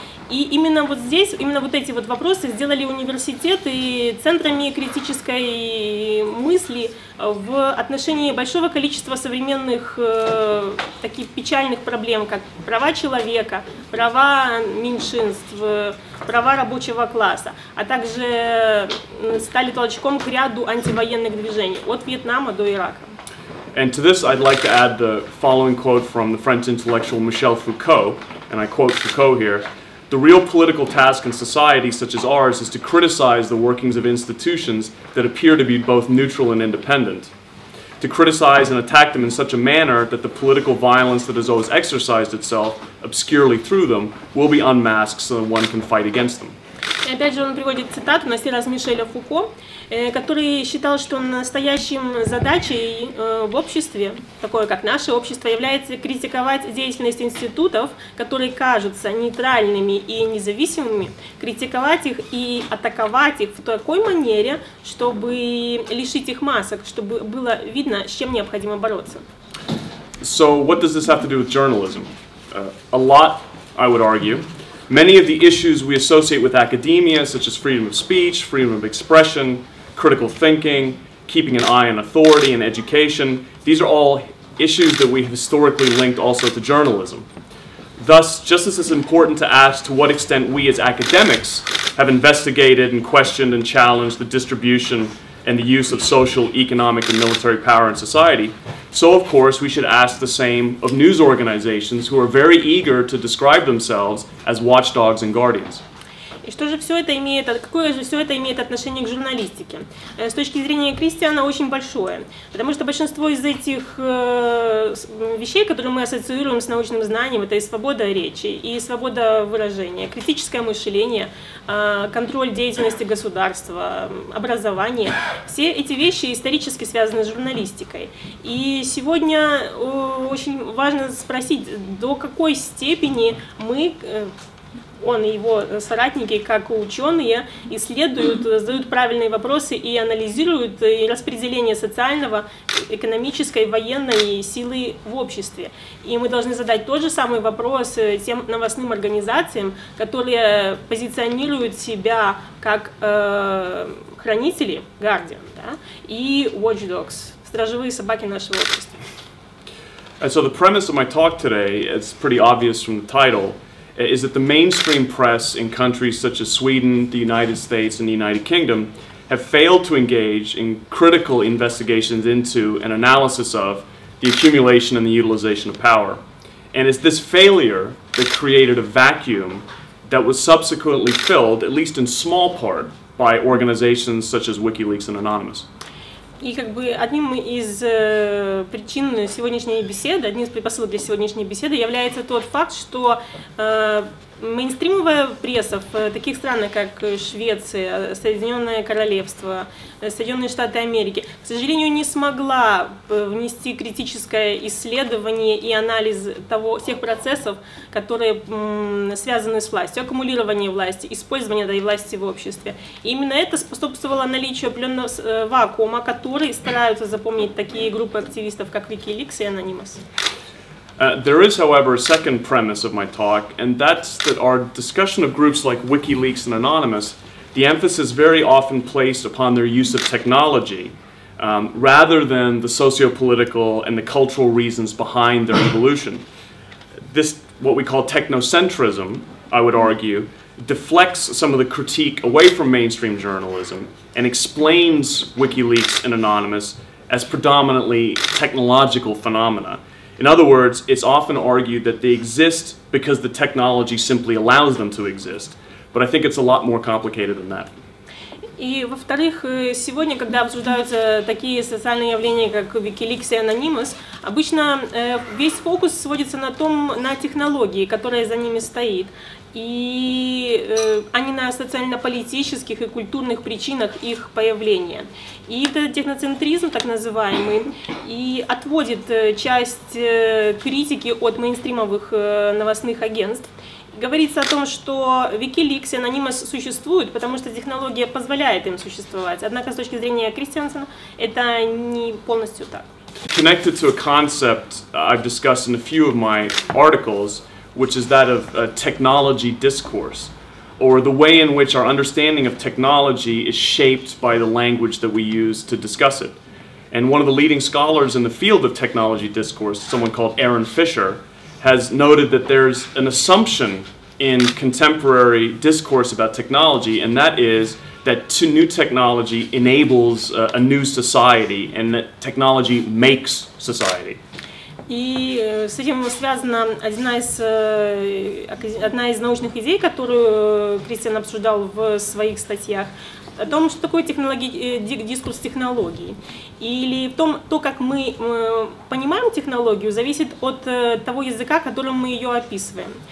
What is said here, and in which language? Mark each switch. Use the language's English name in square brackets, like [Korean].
[Russian] И именно вот здесь, именно вот эти вот вопросы сделали университеты центрами критической мысли в отношении большого количества современных таких печальных проблем, как права человека, права меньшинств, права рабочего класса, а также стали толчком к ряду антивоенных движений от Вьетнама до Ирака. [English] And to this I'd like to add the following quote from the French intellectual Michel Foucault, and I quote Foucault here. The real political task in society such as ours is to criticize the workings of institutions that appear to be both neutral and independent. To criticize and attack them in such a manner that the political violence that has always exercised itself obscurely through them will be unmasked so that one can fight against them. [Russian] И опять же он приводит цитату, на сей раз Мишеля Фуко, который считал, что настоящим задачей в обществе, такое как наше общество, является критиковать деятельность институтов, которые кажутся нейтральными и независимыми, критиковать их и атаковать их в такой манере, чтобы лишить их масок, чтобы было видно, с чем необходимо бороться. [English] So what does this have to do with journalism? A lot, I would argue. Many of the issues we associate with academia, such as freedom of speech, freedom of expression, critical thinking, keeping an eye on authority and education, these are all issues that we have historically linked also to journalism. Thus, just as it's important to ask to what extent we as academics have investigated and questioned and challenged the distribution and the use of social, economic, and military power in society, so of course we should ask the same of news organizations who are very eager to describe themselves as watchdogs and guardians. [Russian] И что же все это имеет, какое же все это имеет отношение к журналистике? С точки зрения Кристиана очень большое, потому что большинство из этих вещей, которые мы ассоциируем с научным знанием, это и свобода речи, и свобода выражения, критическое мышление, контроль деятельности государства, образование. Все эти вещи исторически связаны с журналистикой. И сегодня очень важно спросить, до какой степени мы... Он и его соратники, как ученые, исследуют, задают правильные вопросы и анализируют распределение социального, экономической, военной силы в обществе. И мы должны задать тот же самый вопрос тем новостным организациям, которые позиционируют себя как хранители, guardian, да, и watchdogs, стражевые собаки нашего общества. [English] And so the premise of my talk today, it's pretty obvious from the title, is that the mainstream press in countries such as Sweden, the United States, and the United Kingdom have failed to engage in critical investigations into and analysis of the accumulation and the utilization of power. And it's this failure that created a vacuum that was subsequently filled, at least in small part, by organizations such as WikiLeaks and Anonymous. [Russian] И как бы одним из причин сегодняшней беседы, одним из предпосылок для сегодняшней беседы является тот факт, что мейнстримовая пресса в таких странах, как Швеция, Соединенное Королевство, Соединенные Штаты Америки, к сожалению, не смогла внести критическое исследование и анализ того, всех процессов, которые связаны с властью, аккумулирование власти, использование этой власти в обществе. И именно это способствовало наличию определенного вакуума, который стараются запомнить такие группы активистов, как WikiLeaks и Anonymous. [English] There is, however, a second premise of my talk, and that's that our discussion of groups like WikiLeaks and Anonymous, the emphasis very often placed upon their use of technology, rather than the socio-political and the cultural reasons behind their evolution. This, what we call technocentrism, I would argue, deflects some of the critique away from mainstream journalism and explains WikiLeaks and Anonymous as predominantly technological phenomena. In other words, it's often argued that they exist because the technology simply allows them to exist. But I think it's a lot more complicated than that. [Russian] И, во-вторых, сегодня, когда обсуждаются такие социальные явления, как WikiLeaks и Anonymous, обычно весь фокус сводится на том, на технологии, которая за ними стоит, и а не на социально-политических и культурных причинах их появления. И этот техноцентризм, так называемый, и отводит часть критики от мейнстримовых новостных агентств. Говорится о том, что WikiLeaks и Anonymous существуют, потому что технология позволяет им существовать. Однако, с точки зрения Кристиансена, это не полностью так. [English] Connected to a concept I've discussed in a few of my articles, which is that of technology discourse, or the way in which our understanding of technology is shaped by the language that we use to discuss it. And one of the leading scholars in the field of technology discourse, someone called Aaron Fisher, has noted that there's an assumption in contemporary discourse about technology, and that is that new technology enables a new society, and that technology makes society. [Russian] И с этим связана одна из научных идей, которую Кристиан обсуждал в своих статьях, о том, что такое дискурс технологии. Или в том, то, как мы понимаем технологию, зависит от того языка, которым мы ее описываем.